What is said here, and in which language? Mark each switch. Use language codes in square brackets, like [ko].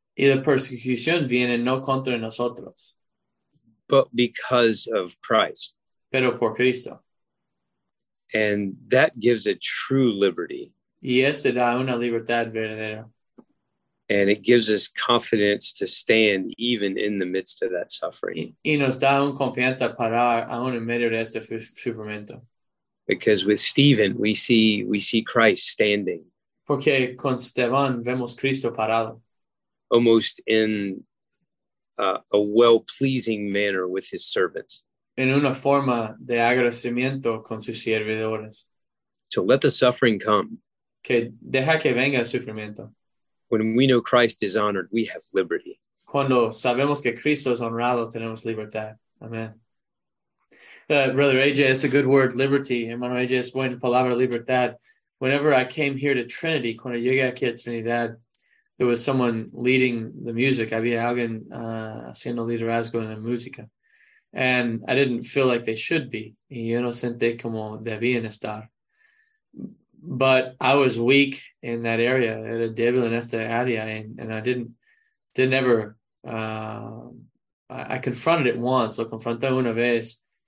[es] Y la persecución viene no contra nosotros. [en] But because of Christ. [es] Pero por Cristo. [en] And that gives a true liberty. [es] Y este da una libertad verdadera. [en] And it gives us confidence to stand even in the midst of that suffering. [es] Y nos da un confianza parar aún en medio de este sufrimiento. [en] Because with Stephen, we see Christ standing. [es] Porque con Esteban vemos Cristo parado. [en] Almost in a well-pleasing manner with his servants. [es] En una forma de agradecimiento con sus servidores. [en] So let the suffering come. [es] Que deja que venga el sufrimiento. [en] When we know Christ is honored, we have liberty. [es] Cuando sabemos que Cristo es honrado, tenemos libertad. Amen. [en] Brother AJ, it's a good word, liberty. [es] Hermano AJ, es buena palabra, libertad. [en] Whenever I came here to Trinity, [es] cuando llegué aquí a Trinidad, [en] there was someone leading the music. [es] Había alguien haciendo liderazgo en la música. [en] And I didn't feel like they should be. [es] Y yo no senté como debían estar. [en] But I was weak in that area. [es] Era débil en esta área. [en] And I didn't ever, I confronted it once. [es] Lo confronté una vez.